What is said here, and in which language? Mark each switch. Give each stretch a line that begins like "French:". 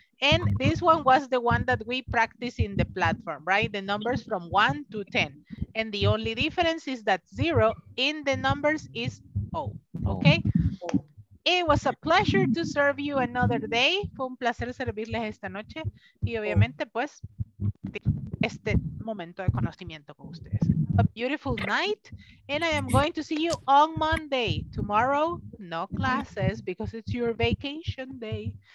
English: And this one was the one that we practice in the platform, right? The numbers from 1 to 10. And the only difference is that 0 in the numbers is 0, okay? It was a pleasure to serve you another day.
Spanish: Fue un placer servirles esta noche. Y obviamente, pues, este momento de conocimiento con ustedes.
English: A beautiful night. And I am going to see you on Monday. Tomorrow, no classes because it's your vacation day.